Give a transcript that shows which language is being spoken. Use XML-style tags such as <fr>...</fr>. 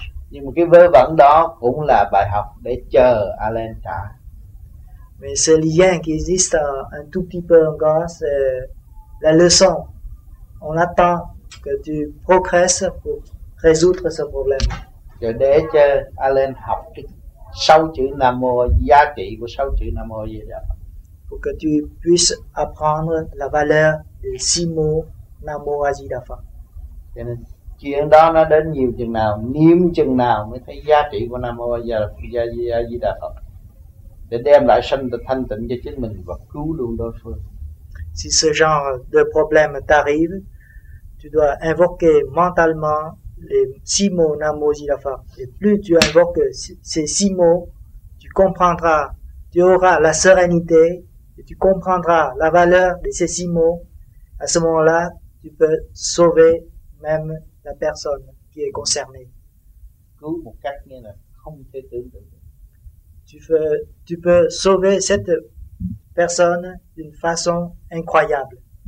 <vi>Nhưng mà cái vớ vẩn đó cũng là bài học để chờ Alan trả.</vi> <fr>Mais ce lien qui existe un tout petit peu encore, c'est la leçon. On attend que tu progresses pour résoudre ce problème.</fr> <vi>Rồi để cho Alan học cái sáu chữ Nam Mô, giá trị của sáu chữ Nam Mô gì đó.</vi> <fr>Pour que tu puisses apprendre la valeur des six mots Nam Mô A Di Đà Phật.</fr> <vi>Cho nên chuyện đó nó đến nhiều chừng nào, niệm chừng nào mới thấy giá trị của Nam Mô A Di Đà Phật. Để đem lại sanh tịnh thanh tịnh cho chính mình và cứu luôn đối phương.</vi> <fr>Si ce genre de problème t'arrive, tu dois invoquer mentalement les six mots Nam Mô A Di Đà Phật. Et plus tu invoques ces six mots, tu comprendras, tu auras la sérénité et tu comprendras la valeur de ces six mots. À ce moment-là, tu peux sauver même la personne qui est concernée.</fr> <vi>Cứu một cách nghĩa là không thể tưởng tượng.</vi> <fr>Tu peux sauver cette personne d'une façon incroyable.</fr>